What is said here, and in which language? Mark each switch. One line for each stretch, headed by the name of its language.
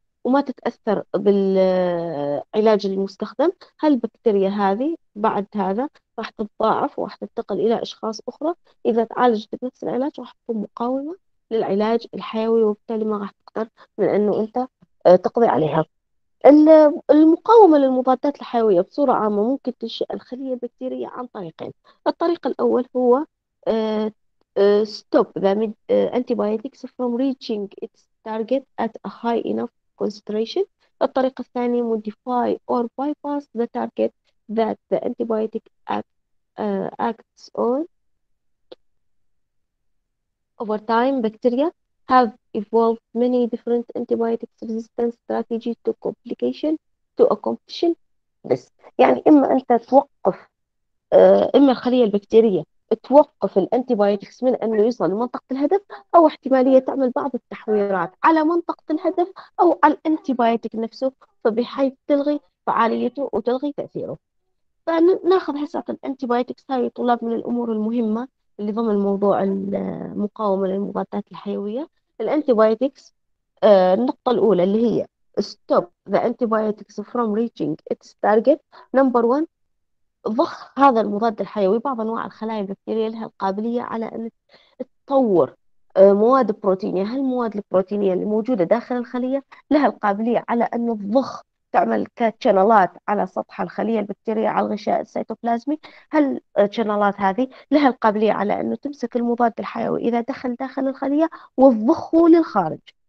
Arabic: وما تتأثر بالعلاج المستخدم، هالبكتيريا هذه بعد هذا راح تتضاعف وراح تنتقل إلى أشخاص أخرى، إذا تعالجت بنفس العلاج راح تكون مقاومة للعلاج الحيوي وبالتالي ما راح تقدر من أنه أنت تقضي عليها. المقاومة للمضادات الحيوية بصورة عامة ممكن تنشئ الخلية البكتيرية عن طريقين، الطريق الأول هو
English: stop the antibiotics from reaching its target at a high enough concentration.
Arabic: الطريقة الثانية
English: modify or bypass the target that the antibiotic acts on. Over time, bacteria have evolved many different antibiotics resistance strategies to complication to accomplish this.
Arabic: يعني إما أنت توقف إما الخلية البكتيرية توقف الانتيبايوتكس من انه يوصل لمنطقه الهدف، او احتماليه تعمل بعض التحويرات على منطقه الهدف او على الانتيبايوتك نفسه فبحيث تلغي فعاليته وتلغي تاثيره. فناخذ حصه الانتيبايوتكس، هاي طلاب من الامور المهمه اللي ضمن موضوع المقاومه للمضادات الحيويه. الانتيبايوتكس النقطه الاولى اللي هي
English: stop the antibiotics from reaching its target.
Arabic: نمبر 1 ضخ هذا المضاد الحيوي، بعض انواع الخلايا البكتيريه لها القابليه على ان تطور مواد بروتينيه، هالمواد البروتينيه اللي موجوده داخل الخليه لها القابليه على ان تضخ تعمل كشنلات على سطح الخليه البكتيريه على الغشاء السيتوبلازمي، هالشنلات هذه لها القابليه على انه تمسك المضاد الحيوي اذا دخل داخل الخليه وتضخه للخارج.